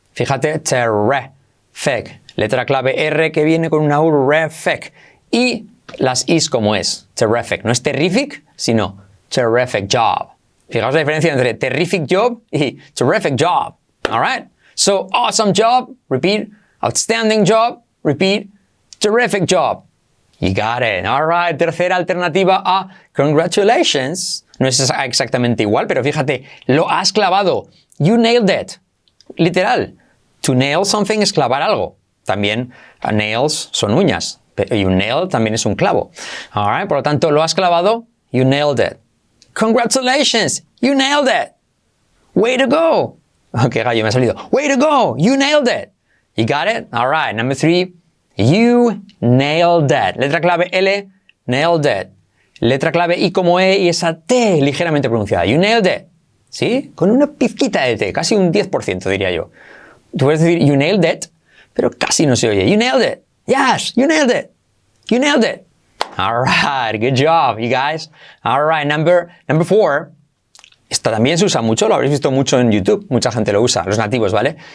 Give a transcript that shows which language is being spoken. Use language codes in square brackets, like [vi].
[es] Fíjate, terrific, letra clave R que viene con una U, terrific, y las Is como es, terrific, no es terrific, sino [en] terrific job. [es] Fijaos la diferencia entre [en] terrific job [es] y terrific job. [en] All right, so awesome job, repeat, outstanding job, repeat, terrific job. You got it. All right, [es] tercera alternativa a [en] congratulations. [es] No es exactamente igual, pero fíjate, lo has clavado. [en] You nailed it. [es] Literal, to nail something es clavar algo. También nails son uñas. You nail también es un clavo. All right, por lo tanto, lo has clavado. [en] You nailed it. Congratulations, you nailed it. Way to go. Ok, [es] gallo, me ha salido. [en] Way to go, you nailed it. You got it? All right, number three. You nailed it. [es] Letra clave L, nailed it. Letra clave I como E y esa T ligeramente pronunciada. [en] You nailed it. [es] ¿Sí? Con una pizquita de T, casi un 10% diría yo. Tú puedes decir [en] you nailed it, [es] pero casi no se oye. [en] You nailed it. Yes, you nailed it. You nailed it. All right, good job, you guys. All right, number four. [es] Esta también se usa mucho, lo habréis visto mucho en YouTube. Mucha gente lo usa, los nativos, ¿vale?